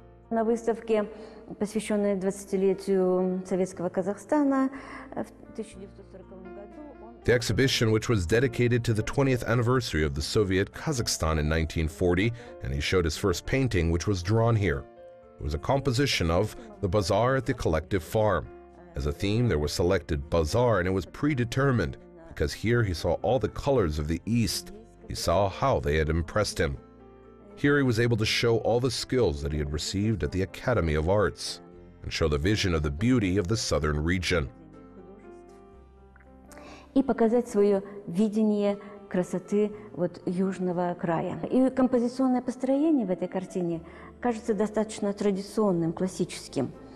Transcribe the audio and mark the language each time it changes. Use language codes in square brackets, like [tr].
[ru] На выставке, посвященной 20-летию Советского Казахстана, в 1940 году... [en] The exhibition, which was dedicated to the 20th anniversary of the Soviet Kazakhstan in 1940, and he showed his first painting, which was drawn here. It was a composition of the Bazaar at the Collective Farm. As a theme, there was selected Bazaar, and it was predetermined, because here he saw all the colors of the East. He saw how they had impressed him. Here he was able to show all the skills that he had received at the Academy of Arts, and show the vision of the beauty of the southern region. [ru] И показать свое видение красоты вот южного края. И композиционное построение в этой картине кажется достаточно традиционным, классическим.